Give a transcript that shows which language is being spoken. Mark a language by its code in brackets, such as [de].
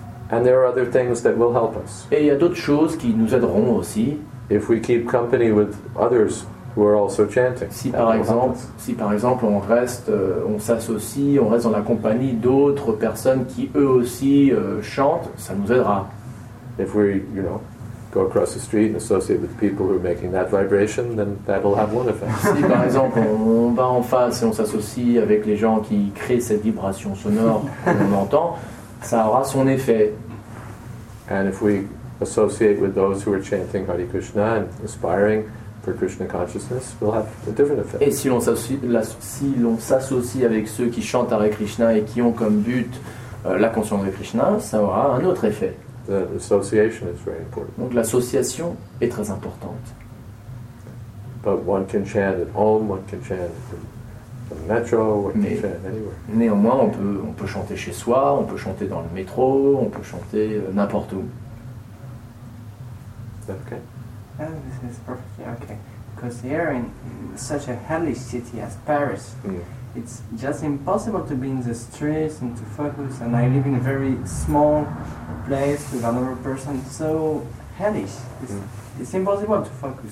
[en] And there are other things that will help us. [fr] Et il y a d'autres choses qui nous aideront aussi. [en] If we keep company with others who are also chanting. [fr] Si par exemple on reste dans la compagnie d'autres personnes qui eux aussi chantent, ça nous aidera. [en] If we, you know, go across the street and associate with the people who are making that vibration, then that will have one effect. [fr] Si par exemple on va en face et on s'associe avec les gens qui créent cette vibration sonore qu'on entend, ça aura son effet. [en] And if we associate with those who are chanting Hare Krishna and aspiring for Krishna consciousness, we'll have a different effect. [fr] Et si l'on s'associe avec ceux qui chantent Hare Krishna et qui ont comme but la conscience de Krishna, ça aura un autre effet. [en] The association is very important. [fr] Donc l'association est très importante. [en] But one can chant at home, one can chant at the metro, one can chant anywhere. [fr] Néanmoins, on peut chanter chez soi, on peut chanter dans le métro, on peut chanter n'importe où. [en] Okay. Oh, this is perfectly okay. Because here in such a hellish city as Paris, it's just impossible to be in the streets and to focus. And I live in a very small place with another person. So hellish. It's impossible to focus.